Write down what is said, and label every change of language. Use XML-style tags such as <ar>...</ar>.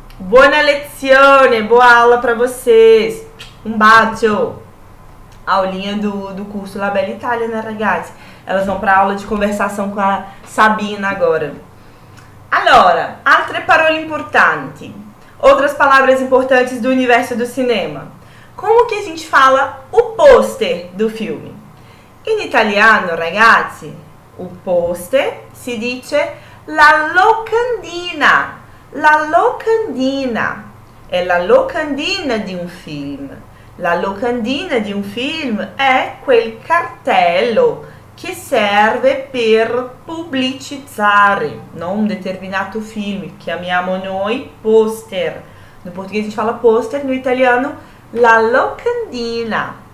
<it>Buona lezione,</it> <pt>boa aula para vocês. Um bacio. A aulinha do curso La Bella Italia, né, ragazzi? Elas vão para aula de conversação com a Sabina agora.</pt> <it>Allora, altre parole importanti.</it> <pt>Outras palavras importantes do universo do cinema. Como que a gente fala o poster do filme?</pt> <it>In italiano, ragazzi, o poster si dice la locandina. La locandina. È la locandina di un film. La locandina di un film è quel cartello che serve per pubblicizzare, no? Un determinato film, chiamiamo noi poster.</it> <pt>No português a gente fala poster, no italiano la locandina.</pt>